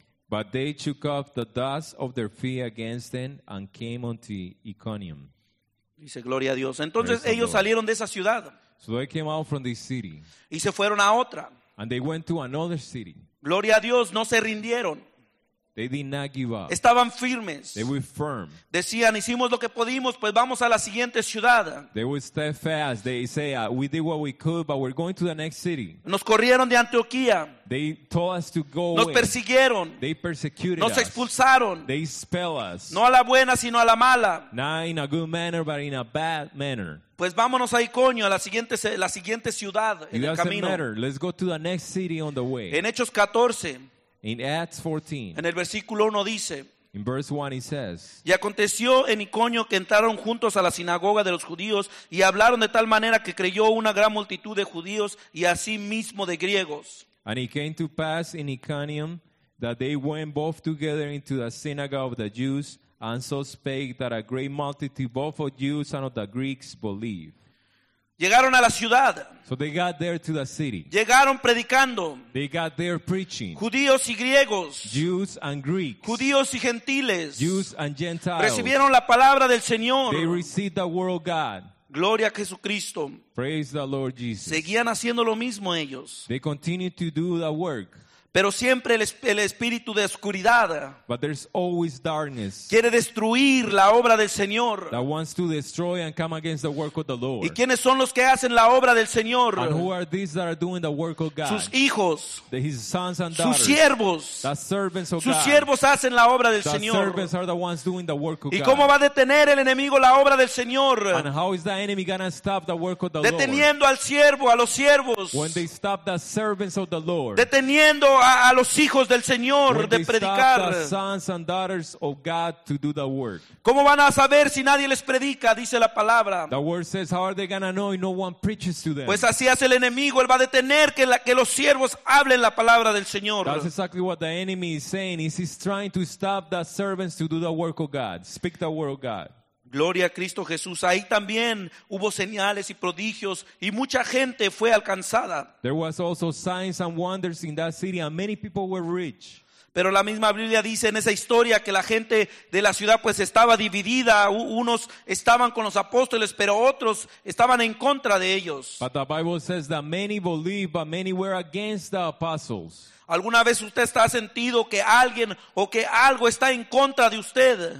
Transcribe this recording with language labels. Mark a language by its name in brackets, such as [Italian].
[English] But they shook off the dust of their feet against them and came unto Iconium. [Spanish] Dice, gloria a Dios. Entonces praise ellos salieron de esa ciudad. [English] So they came out from this city. [Spanish] Y se fueron a otra. [English] And they went to another city. [Spanish] Gloria a Dios, no se rindieron. [English] They did not give up. [Spanish] Estaban firmes. [English] They were firm. [Spanish] Decían, hicimos lo que pudimos, pues vamos a la siguiente ciudad. [English] They were steadfast. They say, we did what we could, but we're going to the next city. [Spanish] Nos corrieron de Antioquía. [English] They told us to go. [Spanish] Nos persiguieron. [English] They persecuted us. [Spanish] Nos expulsaron. [English] They expelled us. [Spanish] No a la buena, sino a la mala. [English] Not in a good manner, but in a bad manner. [Spanish] Pues vámonos a Iconio, a la siguiente ciudad en el camino. [English] It doesn't matter. Let's go to the next city on the way. [Spanish] En Hechos 14. [English] In Acts 14, [Spanish] en el versículo 1 dice, [English] in verse 1 he says, [Spanish] y aconteció en Iconio que entraron juntos a la sinagoga de los judíos y hablaron de tal manera que creyó una gran multitud de judíos y así mismo de griegos. [English] And it came to pass in Iconium that they went both together into the synagogue of the Jews and so spake that a great multitude both of Jews and of the Greeks believed. [Spanish] Llegaron a la ciudad. [English] So they got there to the city. [Spanish] Llegaron predicando. [English] They got there preaching. [Spanish] Judíos y griegos. [English] Jews and Greeks. [Spanish] Judíos y gentiles. [English] Jews and Gentiles. [Spanish] Recibieron la palabra del Señor. [English] They received the word of God. [Spanish] Gloria a Jesucristo. [English] Praise the Lord Jesus. [Spanish] Seguían haciendo lo mismo ellos. [English] They continued to do the work. [Spanish] Pero siempre el espíritu de oscuridad. [English] But there's always darkness. [Spanish] Quiere destruir la obra del Señor. [English] That wants to destroy and come against the work of the Lord. [Spanish] ¿Y quiénes son los que hacen la obra del Señor? [English] And who are these that are doing the work of God? [Spanish] Sus hijos. [English] His sons and [Spanish] daughters. Sus siervos. [English] The servants of [Spanish] God. Sus siervos hacen la obra del Señor. [English] The servants are the ones doing the work of [Spanish] God. ¿Y cómo va a detener el enemigo la obra del Señor? [English] And how is the enemy gonna stop the work of the [Spanish] deteniendo [English] Lord? [Spanish] Al siervo, a los siervos. [English] When they stop the servants of the Lord. [Spanish] Deteniendo a los hijos del Señor de predicar. [English] The sons and daughters of God to do the work. [Spanish] ¿Cómo van a saber si nadie les predica? Dice la palabra. [English] The word says, how are they gonna know if no one preaches to them? [Spanish] Pues así hace el enemigo, él va a detener que los siervos hablen la palabra del Señor. [English] That's exactly what the enemy is saying. He's trying to stop the servants to do the work of God. Speak the word of God. [Spanish] Gloria a Cristo Jesús. Ahí también hubo señales y prodigios y mucha gente fue alcanzada. [English] There was also signs and wonders in that city and many people were rich. [Spanish] Pero la misma Biblia dice en esa historia que la gente de la ciudad pues estaba dividida. Unos estaban con los apóstoles, pero otros estaban en contra de ellos. [English] But the Bible says that many believed, but many were against the apostles. [Spanish] ¿Alguna vez usted está sentido que alguien o que algo está en contra de usted?